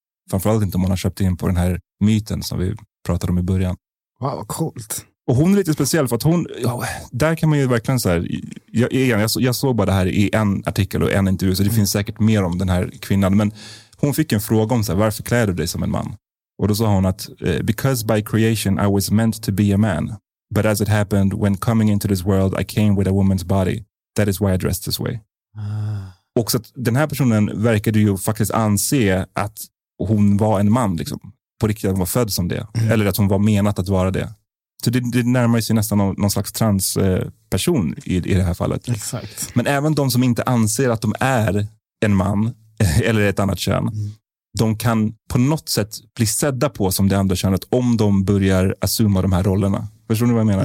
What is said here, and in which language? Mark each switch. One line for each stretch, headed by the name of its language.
Swedish: Framförallt inte om man har köpt in på den här myten som vi pratade om i början. Wow, vad coolt. Och hon är lite speciell för att hon, ja, där kan man ju verkligen så här, jag såg bara det här i en artikel och en intervju, så det finns säkert mer om den här kvinnan. Men hon fick en fråga om så här, varför klär du dig som en man? Och då sa hon att
English: because by creation I was meant to be a man. But as it happened, when coming into this world, I came with a woman's body. That is why I dressed this way. Ah.
Swedish: Och så att den här personen verkade ju faktiskt anse att hon var en man, liksom. På riktigt, att hon var född som det. Mm. Eller att hon var menat att vara det. Så det närmar sig nästan någon slags transperson i det här fallet. Exakt. Men även de som inte anser att de är en man, eller ett annat kön, de kan på något sätt bli sedda på som det andra könet om de börjar assuma de här rollerna. Förstår ni vad jag menar?